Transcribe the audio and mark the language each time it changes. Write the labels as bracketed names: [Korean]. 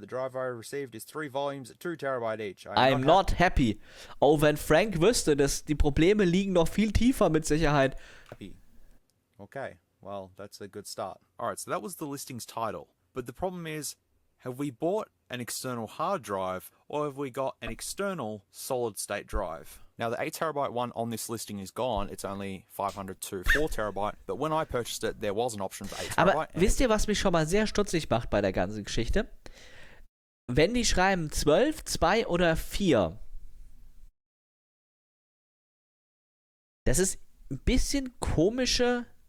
[English] The drive I received is 3 volumes at 2 Terabyte each. I'm not happy. [German] Oh, wenn Frank wüsste, dass die Probleme liegen noch viel tiefer mit Sicherheit. [English] Happy. Okay. Well, that's a good start. Alright, so that was the listing's title. But the problem is, have we bought an external hard drive or have we got an external solid-state drive? Now, the 8TB one on this listing is gone. It's only 500 to 4TB. But when I purchased it, there was an option for 8TB. [German] Aber wisst ihr, was mich schon mal sehr stutzig macht bei der ganzen Geschichte? Wenn die schreiben 12, 2 oder 4. Das ist ein bisschen komische...